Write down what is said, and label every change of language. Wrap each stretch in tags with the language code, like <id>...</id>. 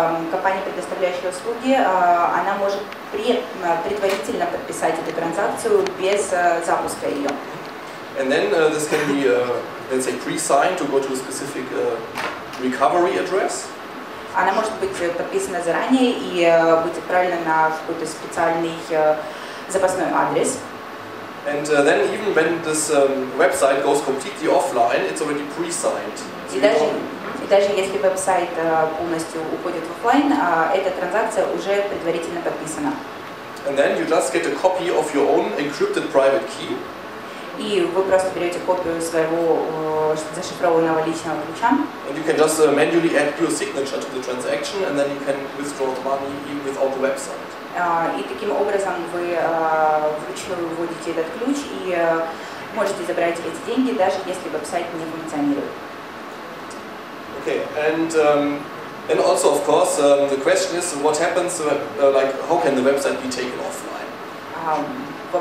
<ru>Компания, предоставляющая услуги, она может предварительно подписать эту транзакцию без запуска ее.</ru> <en>And then this can be, let's say, pre-signed to go to a specific recovery address.</en> <ru>Она может быть подписана заранее и быть отправлена на какой-то специальный запасной адрес.</ru> <en>And then even when this website goes completely offline, it's already pre-signed.</en> <ru>И даже если веб-сайт полностью уходит в офлайн, эта транзакция уже предварительно подписана.</ru> <en>And then you just get a copy of your own encrypted private key.</en> <ru>И вы просто берете копию своего зашифрованного личного ключа.</ru> <en>And you can just manually add your signature to the transaction, and then you can withdraw the money even without the website.</en> <ru>И таким образом вы вручную вводите этот ключ и можете забрать эти деньги, даже если веб-сайт не функционирует.</ru> <en>Okay, and also, of course, the question is, what happens, like, how can the website be taken offline?</en>